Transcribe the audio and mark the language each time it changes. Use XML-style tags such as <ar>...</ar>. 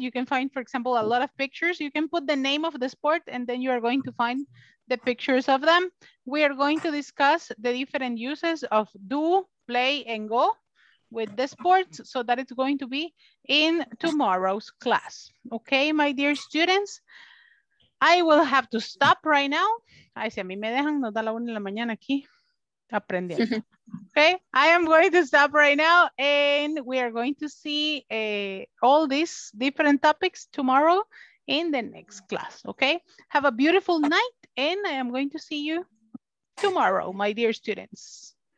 <en>You can find, for example, a lot of pictures. You can put the name of the sport and then you are going to find the pictures of them. We are going to discuss the different uses of do, play, and go with the sports, so that it's going to be in tomorrow's class. Okay, my dear students, I will have to stop right now.</en> <es>Ay, si a mí me dejan, nos da la una de la mañana aquí aprendiendo.</es> <en>Okay, I am going to stop right now, and we are going to see all these different topics tomorrow in the next class. Okay, have a beautiful night, and I am going to see you tomorrow, my dear students.</en>